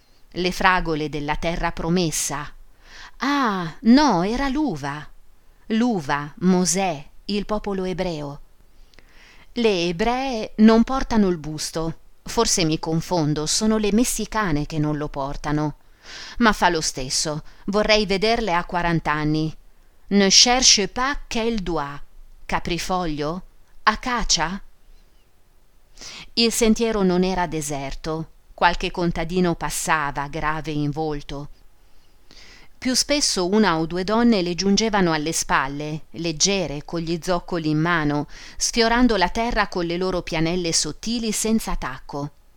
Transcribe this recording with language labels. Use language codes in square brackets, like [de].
[it] Le fragole della terra promessa. Ah, no, era l'uva. L'uva, Mosè, il popolo ebreo. Le ebree non portano il busto. Forse mi confondo, sono le messicane che non lo portano. Ma fa lo stesso, vorrei vederle a 40 anni. [fr] Ne cherche pas quel doigt. [it] Caprifoglio? Acacia? Il sentiero non era deserto, qualche contadino passava, grave in volto. Più spesso una o due donne le giungevano alle spalle, leggere, con gli zoccoli in mano, sfiorando la terra con le loro pianelle sottili senza tacco.